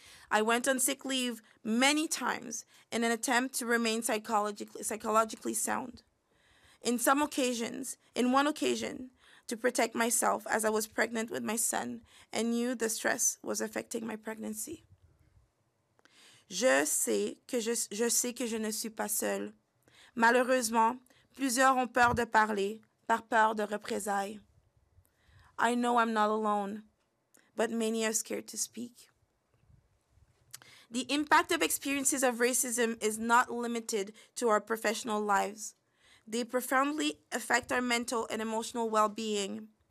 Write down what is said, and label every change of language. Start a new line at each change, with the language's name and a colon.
English: I went on sick leave many times in an attempt to remain psychologically sound. In one occasion, to protect myself as I was pregnant with my son and knew the stress was affecting my pregnancy.
French: Je sais que je ne suis pas seule. Malheureusement, plusieurs ont peur de parler par peur de représailles.
English: I know I'm not alone, but many are scared to speak. The impact of experiences of racism is not limited to our professional lives. They profoundly affect our mental and emotional well-being.